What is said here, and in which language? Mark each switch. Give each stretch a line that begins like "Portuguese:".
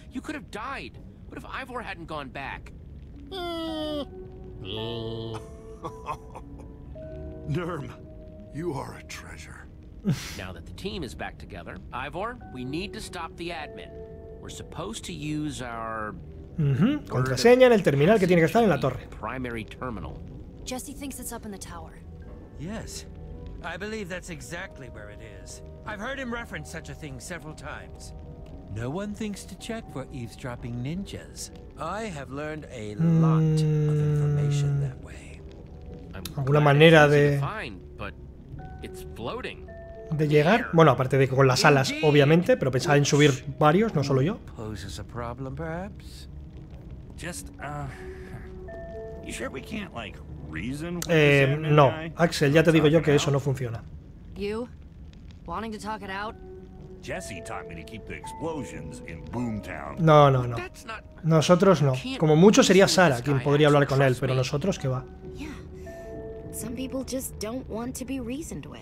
English: You could have died. What if Ivor hadn't gone back? Nurm, you are a treasure. Now that the team is back together, Ivor, we need to stop the admin. We're supposed to use our...
Spanish: contraseña en el terminal que tiene que estar en la torre.
English: Primary terminal. Jesse thinks it's up in the tower. Yes. I believe that's exactly where it is. I've heard him reference such a thing several times. No one thinks to check for eavesdropping ninjas. I have learned a lot of information that way.
Spanish: ¿Alguna manera de
English: find, but it's floating?
Spanish: De llegar, bueno, aparte de con las alas, obviamente, pero pensaba en subir varios, no solo yo.
English: Poses a problem, perhaps. Just you sure we can't like
Spanish: No, Axel, ya te digo yo que eso no funciona.
English: You wanting to talk it out? Jesse taught me to keep the explosions in Boomtown.
Spanish: No, no, no. Nosotros no. Como mucho sería Sara quien podría hablar con él, pero nosotros qué va.
English: Some people just don't want to be reasoned with.